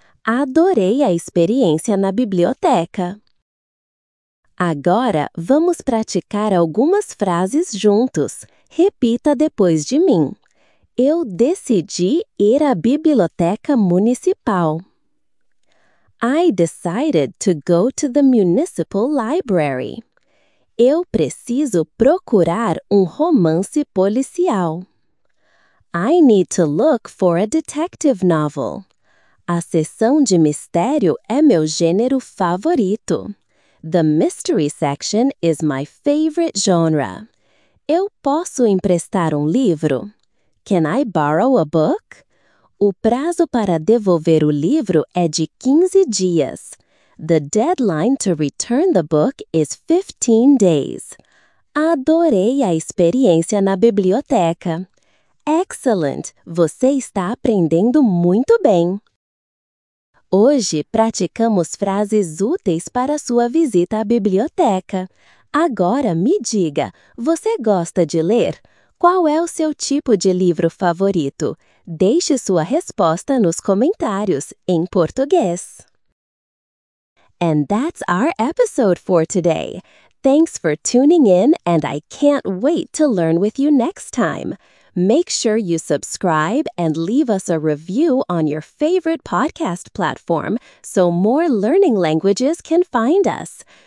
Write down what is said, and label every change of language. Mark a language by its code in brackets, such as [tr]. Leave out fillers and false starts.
[pt] Adorei a experiência na biblioteca. Agora, vamos praticar algumas frases juntos. Repita depois de mim. Eu decidi ir à biblioteca municipal. [en] I decided to go to the municipal library. [pt] Eu preciso procurar um romance policial. [en] I need to look for a detective novel. [pt] A seção de mistério é meu gênero favorito. [en] The mystery section is my favorite genre. [pt] Eu posso emprestar um livro? [en] Can I borrow a book? [pt] O prazo para devolver o livro é de 15 dias. [en] The deadline to return the book is 15 days. [pt] Adorei a experiência na biblioteca. Excellent! Você está aprendendo muito bem! Hoje, praticamos frases úteis para sua visita à biblioteca. Agora, me diga, você gosta de ler? Qual é o seu tipo de livro favorito? Deixe sua resposta nos comentários, em português. [en] And that's our episode for today. Thanks for tuning in, and I can't wait to learn with you next time. Make sure you subscribe and leave us a review on your favorite podcast platform so more learning languages can find us.